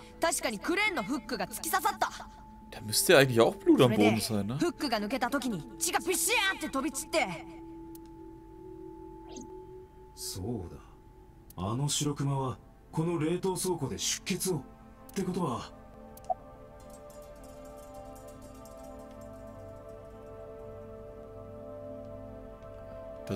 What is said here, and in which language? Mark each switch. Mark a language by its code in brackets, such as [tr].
[ja] 白熊の左足には確かにクレーンのフックが突き刺さった。 [de] Da müsste eigentlich auch Blut am Boden sein, ne? [ja] フックが抜けた時に血がビシャーって飛び散って。そうだ。あの白熊はこの冷凍倉庫で出血を。ってことは。 [de] Da